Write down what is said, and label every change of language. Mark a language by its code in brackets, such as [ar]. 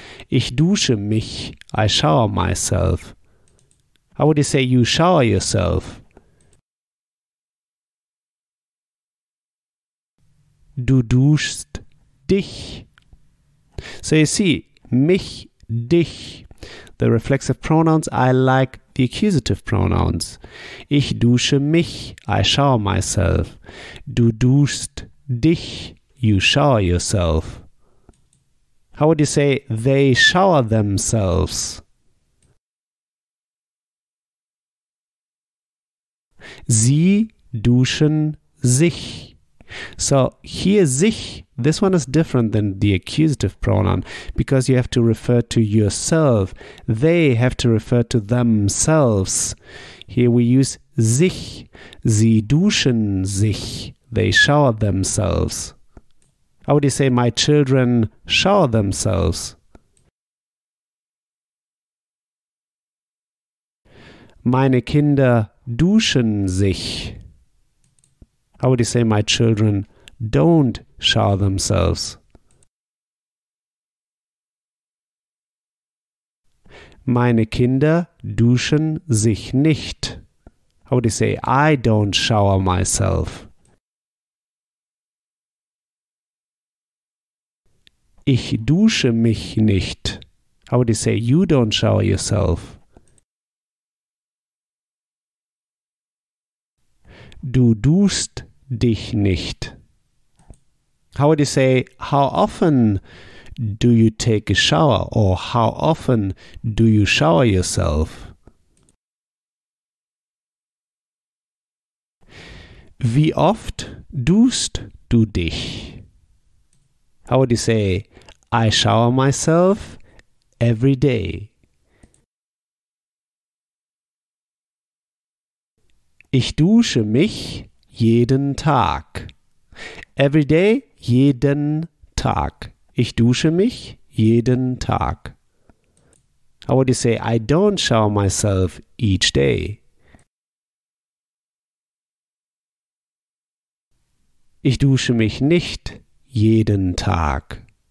[de] Ich dusche mich. [en] I shower myself. How would you say you shower yourself? [de] Du duschst dich. [en] So you see, [de] mich, dich. [en] The reflexive pronouns, I like the accusative pronouns. [de] Ich dusche mich, [en] I shower myself. [de] Du duschst dich, [en] you shower yourself. How would you say they shower themselves? [de] Sie duschen sich. [en] So here sich, this one is different than the accusative pronoun because you have to refer to yourself. They have to refer to themselves. Here we use sich. [de] Sie duschen sich. [en] They shower themselves. How would you say my children shower themselves? [de] Meine Kinder duschen sich. [en] How would you say my children don't shower themselves? [de] Meine Kinder duschen sich nicht. [en] How would you say I don't shower myself? [de] Ich dusche mich nicht. [en] How would you say you don't shower yourself? [de] Du duschst dich nicht. [en] How would you say, how often do you take a shower? Or how often do you shower yourself? [de] Wie oft duschst du dich? [en] How would you say, I shower myself every day. [de] Ich dusche mich jeden Tag. [en] Every day, [de] jeden Tag. Ich dusche mich jeden Tag. [en] How would you say, I don't shower myself each day? [de] Ich dusche mich nicht jeden Tag.